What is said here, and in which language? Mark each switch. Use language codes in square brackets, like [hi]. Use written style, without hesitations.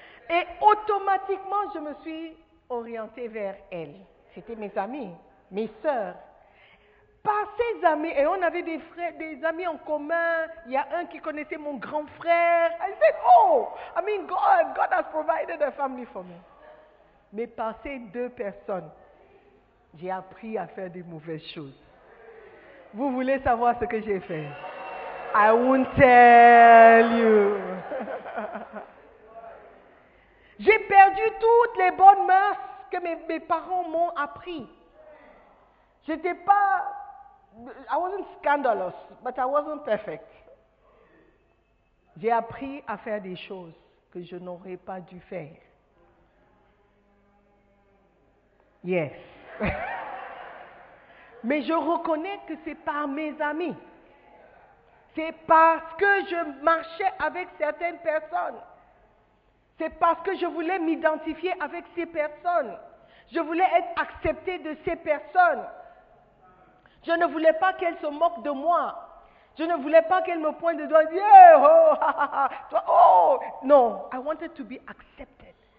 [fr] Et automatiquement, je me suis orientée vers elles. C'était mes amis, mes sœurs. Par ces amis, et on avait des amis en commun. Il y a un qui connaissait mon grand frère. [en] I said, oh, I mean, God has provided a family for me. [fr] Mais par ces deux personnes, j'ai appris à faire des mauvaises choses. Vous voulez savoir ce que j'ai fait? [en] I won't tell you. [fr] J'ai perdu toutes les bonnes mœurs que mes parents m'ont appris. J'étais pas... [en] I wasn't scandalous, but I wasn't perfect. [fr] J'ai appris à faire des choses que je n'aurais pas dû faire. [en] Yes. [fr] Mais je reconnais que c'est par mes amis. C'est parce que je marchais avec certaines personnes. C'est parce que je voulais m'identifier avec ces personnes. Je voulais être acceptée de ces personnes. Je ne voulais pas qu'elles se moquent de moi. Je ne voulais pas qu'elles me pointent le doigt et disent yeah, oh, ha, ha, ha, toi, oh. [en] Non, I wanted to be accepted.